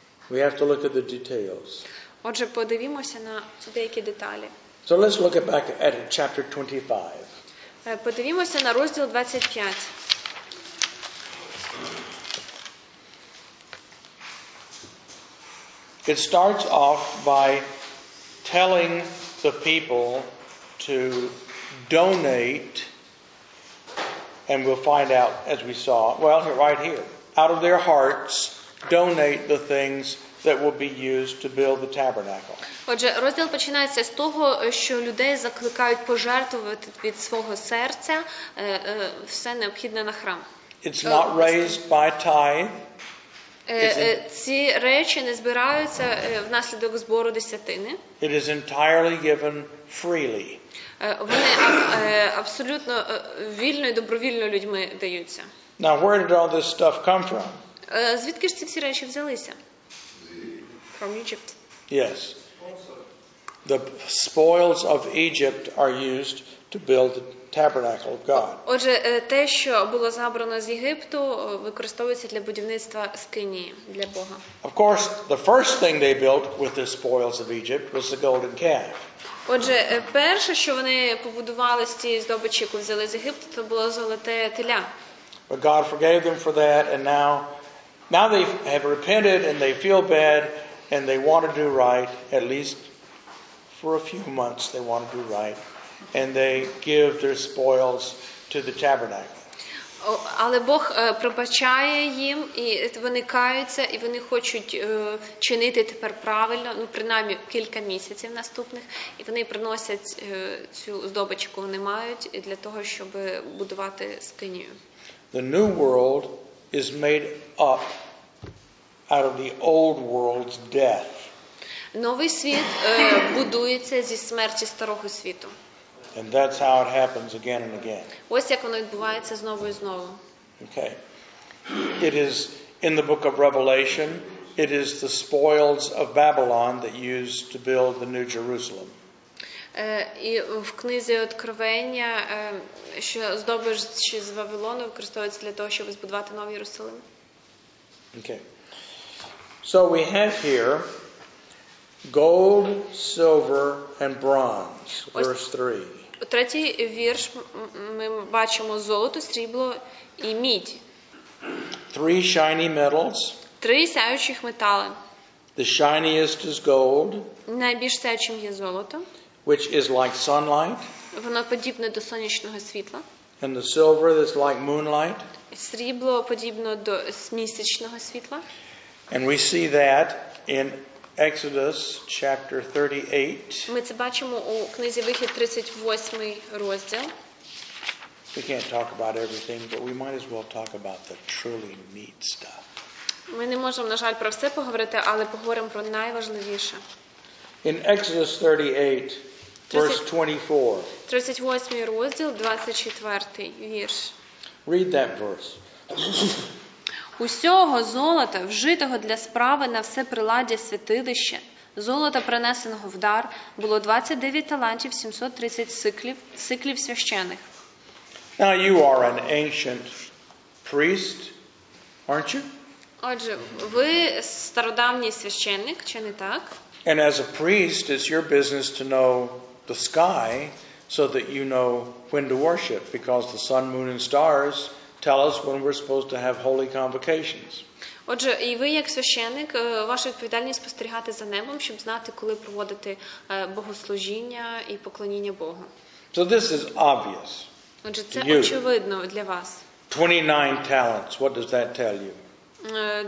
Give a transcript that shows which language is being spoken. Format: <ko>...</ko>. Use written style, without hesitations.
<en>We have to look at the details.</en> <uk>Отже, подивимося на деякі деталі.</uk> <en>So let's look back at chapter 25.</en> <uk>Подивимося на розділ 25.</uk> <en>It starts off by telling the people to donate, and we'll find out as we saw, well, right here, out of their hearts, donate the things that will be used to build the tabernacle.</en> <uk>Отже, розділ починається з того, що людей закликають пожертвувати від свого серця все необхідне на храм.</uk> <en>It's not raised by tithe.</en> <uk>Ці речі не збираються внаслідок збору десятини.</uk> <en>It is entirely given freely.</en> <uk>Вони абсолютно вільно і добровільно людьми даються.</uk> <en>Now, where did all this stuff come from?</en> <uk>Звідки ж ці всі речі взялися?</uk> <en>From Egypt. Yes. The spoils of Egypt are used to build the tabernacle of God.</en> <uk>Отже, те, що було забрано з Єгипту, використовується для будівництва скинії для Бога.</uk> <en>Of course, the first thing they built with the spoils of Egypt was the golden calf.</en> <uk>Отже, перше, що вони побудували з цієї здобичі, яку взяли з Єгипту, це було золоте теля.</uk> <en>But God forgave them for that, and now they have repented and they feel bad and they want to do right, at least for a few months they want to do right, and they give their spoils to the tabernacle.</en> <uk>Але Бог пробачає їм, і вони каються, і вони хочуть чинити тепер правильно, ну, принаймні, кілька місяців наступних, і вони приносять цю здобич, яку вони мають, для того, щоб будувати скинію.</uk> <en>The new world is made up out of the old world's death.</en> <uk>Новий світ будується зі смерті старого світу.</uk> <en>And that's how it happens again and again.</en> <uk>Ось як воно відбувається знову і знову.</uk> <en>Okay. It is in the book of Revelation, it is the spoils of Babylon that used to build the new Jerusalem.</en> <uk>І в книзі Откровення, що здобич з Вавилону використовується для того, щоб збудувати новий Єрусалим.</uk> <en>Okay. So we have here gold, silver and bronze, verse 3.</en> <uk>У третій вірш ми бачимо золото, срібло і мідь.</uk> <en>Three shiny metals.</en> <uk>Три сяючих метали.</uk> <en>The shiniest is gold.</en> <uk>Найбільш сяючим є золото.</uk> <en>Which is like sunlight.</en> <uk>Воно подібне до сонячного світла.</uk> <en>And the silver is like moonlight.</en> <uk>Срібло подібно до місячного світла.</uk> <en>And we see that in Exodus chapter 38.</en> <uk>Ми це бачимо у книзі Вихід 38 розділ.</uk> <en>We can't talk about everything, but we might as well talk about the truly neat stuff.</en> <uk>Ми не можемо, на жаль, про все поговорити, але поговоримо про найважливіше.</uk> <en>In Exodus 38, verse 24.</en> <uk>38 розділ, 24 вірш.</uk> <en>Read that verse.</en> <uk>Усього золота, вжитого для справи на все приладдя святилища, золота, принесеного в дар, було 29 талантів 730 сиклів, сиклів священих.</uk> <en>Now you are an ancient priest, aren't you?</en> <uk>Отже, ви стародавній священник, чи не так?</uk> <en>And as a priest, it's your business to know the sky so that you know when to worship, because the sun, moon and stars tell us when we're supposed to have holy convocations.</en> <uk>Отже, і ви як священник, ваша відповідальність спостерігати за небом, щоб знати, коли проводити богослужіння і поклоніння Богу.</uk> <en>So this is obvious.</en> <uk>Отже, це очевидно для вас.</uk> <en>29 talents. What does that tell you?</en>